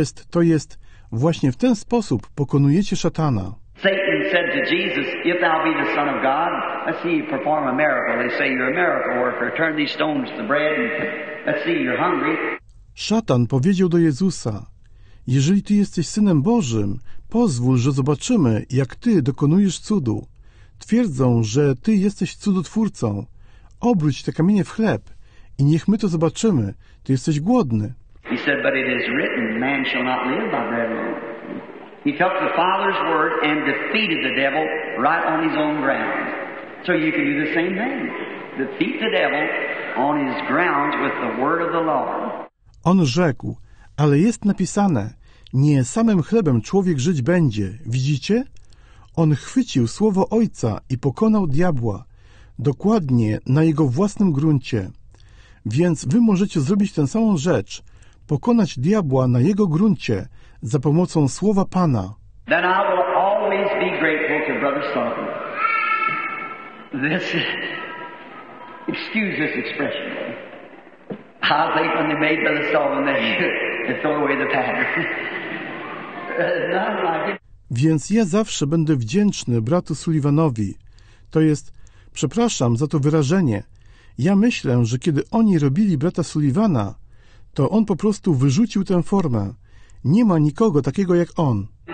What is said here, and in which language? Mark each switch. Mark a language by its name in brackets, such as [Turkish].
[Polish] To jest właśnie w ten sposób pokonujecie szatana. [English] Satan said to Jesus, if thou be the Son of God, let's see you perform a miracle. They say you're a miracle worker. Turn these stones to bread and let's see you're hungry. [Polish] Szatan powiedział do Jezusa, jeżeli ty jesteś Synem Bożym, pozwól, że zobaczymy, jak ty dokonujesz cudu. Twierdzą, że ty jesteś cudotwórcą. Obróć te kamienie w chleb i niech my to zobaczymy. Ty jesteś głodny. [English] He said, but it is written, man shall not live by bread alone. He took the Father's word and defeated the devil right on his own ground. So you can do the same thing. Defeat the devil on his ground with the word of the Lord. [Polish] On rzekł, ale jest napisane, nie samym chlebem człowiek żyć będzie, widzicie? On chwycił słowo Ojca i pokonał diabła, dokładnie na jego własnym gruncie. Więc wy możecie zrobić tę samą rzecz, pokonać diabła na jego gruncie, za pomocą słowa Pana. [English] Then I will always be grateful to Brother Sullivan. This, excuse this expression. I think when they made Brother Sullivan, they throw away the pattern. Not like it. [Polish] Więc ja zawsze będę wdzięczny bratu Sullivanowi. To jest, przepraszam za to wyrażenie. Ja myślę, że kiedy oni robili brata Sullivana, to on po prostu wyrzucił tę formę. Nie ma nikogo takiego jak on.